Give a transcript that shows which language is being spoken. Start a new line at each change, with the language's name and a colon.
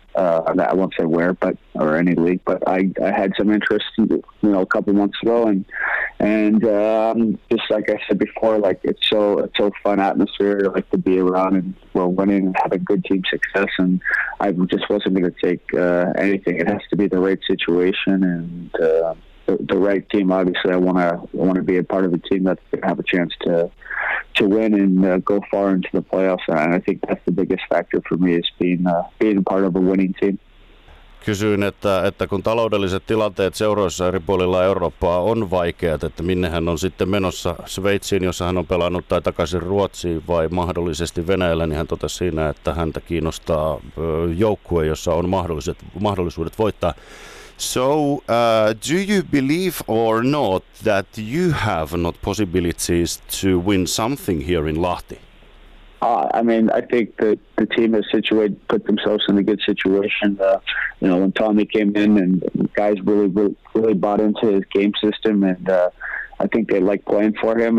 English: I won't say where, but or any league, but I had some interest, a couple months ago, and just like I said before, like it's so fun atmosphere, like to be around, and we're winning, having good team success, and I just wasn't going to take anything. It has to be the right situation and the right team. Obviously, I want to be a part of a team that's going to have a chance to win and go far into the playoffs, and I think that's the biggest factor for me is being part of a winning team.
Finnish: Kysyin, että kun taloudelliset tilanteet seuroissa eri puolilla Eurooppaa on vaikeat, että minne hän on sitten menossa, Sveitsiin, jossa hän on pelannut, tai takaisin Ruotsiin vai mahdollisesti Venäjällä, niin hän totesi siinä, että häntä kiinnostaa joukkue, jossa on mahdollisuudet voittaa.
English: So, do you believe or not that you have not possibilities to win something here in Lahti? I mean, I think the team has put themselves in a good situation. When Tommy came in and guys really, really, really bought into his game system, and I think they like playing for him.